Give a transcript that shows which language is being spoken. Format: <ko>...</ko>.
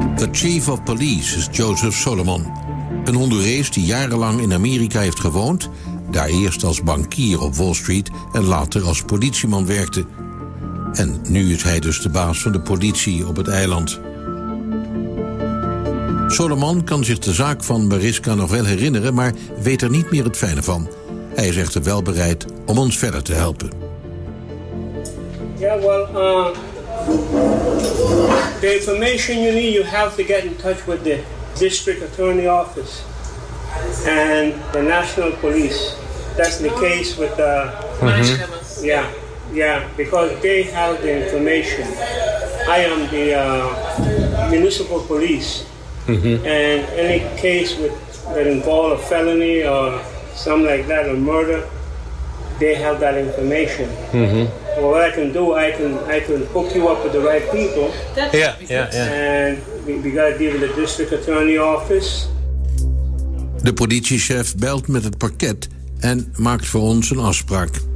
<nl>Chief of Police is Joseph Solomon, een Hondurees die jarenlang in Amerika heeft gewoond, daar eerst als bankier op Wall Street en later als politieman werkte. En nu is hij dus de baas van de politie op het eiland. Soleman kan zich de zaak van Mariska nog wel herinneren, maar weet er niet meer het fijne van. Hij is echter wel bereid om ons verder te helpen.</nl> <en>Ja, wel, the information you need, you have to get in touch with the district attorney office and the national police. That's the case with the... Yeah, because they have the information. I am the municipal police. And any case with, that involves a felony or something like that, a murder, they have that information. Well, what I can do, I can hook you up with the right people. And we got to deal with the district attorney office.</en> <nl>De politiechef belt met het parket en maakt voor ons een afspraak.</nl>